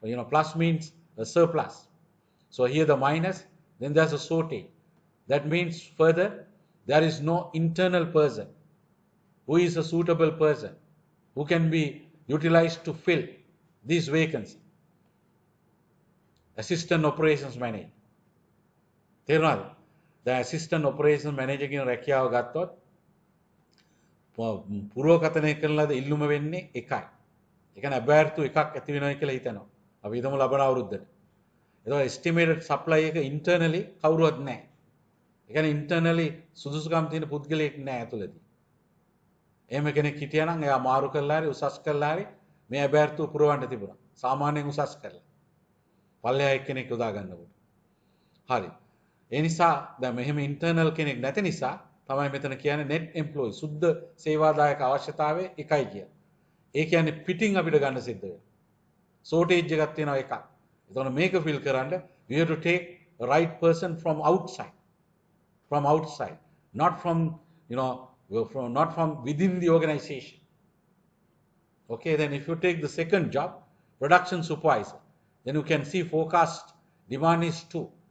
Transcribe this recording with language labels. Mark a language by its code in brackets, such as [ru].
[en] Plus means a surplus. So here the minus, then there's a shortage. That means further, there is no internal person who is a suitable person who can be utilized to fill this vacancy. Assistant operations manager. [si] Therefore, the assistant operations manager කියන රැකියාව ගත්තොත් පුරෝකතනය කරන ලද ඉල්ලුම වෙන්නේ එකයි. ඒ කියන්නේ අභ්‍යර්ථු එකක් ඇති වෙනවා කියලා හිතනවා. අපි ඊතම ලබන අවුරුද්දට. ඒක estimated supply එක internally කවුරුවත් නැහැ. ඒ කියන්නේ internally සුදුසුකම් තියෙන පුද්ගලයෙක් නැහැ අතලදී. එහෙම කෙනෙක් හිටියා නම් එයා මාරු කරලා හරි උසස් කරලා හරි මේ අභ්‍යර්ථු පුරවන්න තිබුණා. සාමාන්‍යයෙන් උසස් කරලා. පල්ලෙහා එක්කෙනෙක් යොදා ගන්නකොට. හරි. ඒ නිසා දැන් මෙහෙම ඉන්ටර්නල් කෙනෙක් නැති නිසා තමයි මෙතන කියන්නේ net employee සුද්ධ සේවාදායක අවශ්‍යතාවය එකයි කිය. ඒ කියන්නේ පිටින් අපිට ගන්න සිද්ධ වෙනවා. shortage එකක් තියෙනවා එකක්. එතකොට මේක fill කරන්න [en] we have to take a right person from outside. From outside. Not from, you know, not from within the organization. Okay, then if you take the second job, production supervisor, then you can see forecast demand is 2.